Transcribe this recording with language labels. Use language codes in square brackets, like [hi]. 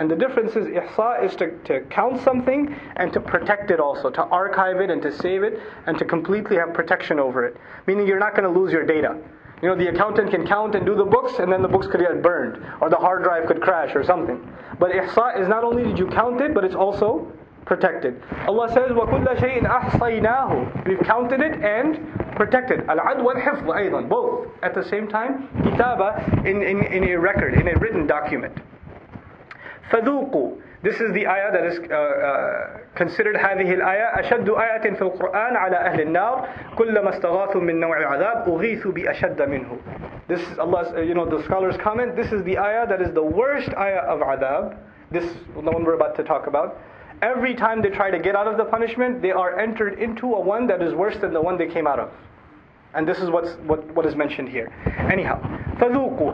[en] And the difference is ihsa is to count something and to protect it also, to archive it and to save it and to completely have protection over it. Meaning you're not going to lose your data. You know, the accountant can count and do the books and then the books could get burned or the hard drive could crash or something. But ihsa is not only did you count it, but it's also protected. Allah says, [ar] وَكُلَّ شَيْءٍ أَحْصَيْنَاهُ. [en] We've counted it and protected. [ar] Al-Ad wal-Hifz أيضاً. [en] Both at the same time. Kitaba in a record, in a written document. [ar] فَذُوقُ. [en] This is the ayah that is considered [ar] هَذِهِ الْآيَةَ أَشَدُّ آيَةٍ فِي الْقُرْآنِ عَلَىٰ أَهْلِ النَّارِ كُلَّمَا اسْتَغَاثُوا مِنْ نَوْعِ الْعَذَابِ أُغِيثُوا بِأَشَدَّ مِنْهُ. [en] This is Allah's, the scholars comment, this is the ayah that is the worst ayah of adab. This, the one we're about to talk about. Every time they try to get out of the punishment, they are entered into a one that is worse than the one they came out of. And this is what is mentioned here. Anyhow, فَذُوقُوا.